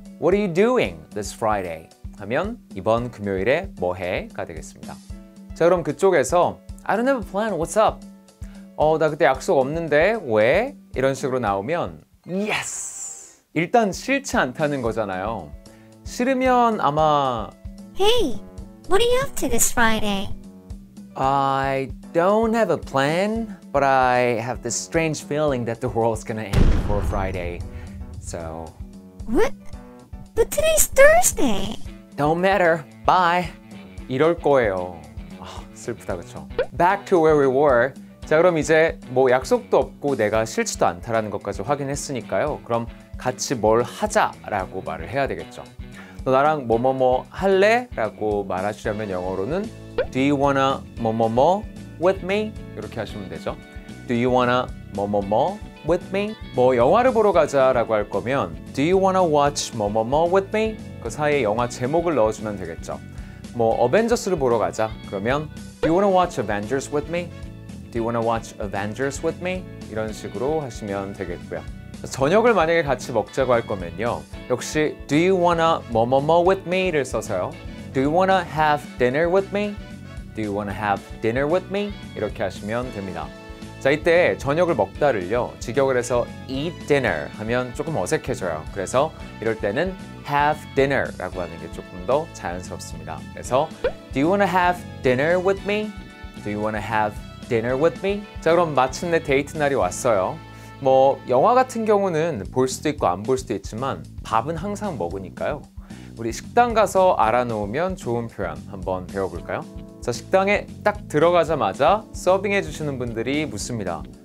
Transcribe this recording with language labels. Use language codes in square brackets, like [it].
[en] What are you doing this Friday? [ko] 하면 이번 금요일에 뭐해? 가 되겠습니다. 자, 그럼 그쪽에서 [en] I don't have a plan. What's up? [ko] 나 그때 약속 없는데 왜? 이런 식으로 나오면 Yes! 일단 싫지 않다는 거잖아요. 싫으면 아마 [en] Hey, what are you up to this Friday? I don't have a plan, but I have this strange feeling that the world's gonna end before Friday. So What? But today's Thursday. Don't matter. Bye. [ko] 이럴 거예요. 아, 슬프다, 그쵸? [en] Back to where we were. [ko] 자, 그럼 이제 뭐 약속도 없고 내가 싫지도 않다라는 것까지 확인했으니까요. 그럼 같이 뭘 하자라고 말을 해야 되겠죠. 너 나랑 뭐뭐뭐 할래? 라고 말하시려면 영어로는 [en] Do you wanna [ko] 뭐뭐뭐 [en] with me? [ko] 이렇게 하시면 되죠. [en] Do you wanna 뭐뭐뭐 with me? [ko] 뭐 영화를 보러 가자라고 할 거면 [en] Do you wanna watch 뭐뭐뭐 with me? [ko] 그 사이에 영화 제목을 넣어주면 되겠죠. 뭐 어벤져스를 보러 가자. 그러면 [en] Do you wanna watch Avengers with me? Do you wanna watch Avengers with me? [ko] 이런 식으로 하시면 되겠고요. 저녁을 만약에 같이 먹자고 할 거면요. 역시 [en] Do you wanna [ko] 뭐뭐뭐 [en] with me? [ko] 를 써서요. [en] Do you wanna have dinner with me? Do you wanna have dinner with me? [ko] 이렇게 하시면 됩니다. 자, 이때 저녁을 먹다를요. 직역을 해서 [en] eat dinner [ko] 하면 조금 어색해져요. 그래서 이럴 때는 [en] have dinner [ko] 라고 하는 게 조금 더 자연스럽습니다. 그래서 [en] Do you wanna have dinner with me? Do you wanna have dinner with me? [ko] 자, 그럼 마침내 데이트 날이 왔어요. 뭐 영화 같은 경우는 볼 수도 있고 안 볼 수도 있지만 밥은 항상 먹으니까요. 우리 식당 가서 알아놓으면 좋은 표현 한번 배워볼까요? 자, 식당에 딱 들어가자마자 서빙해 주시는 분들이 묻습니다.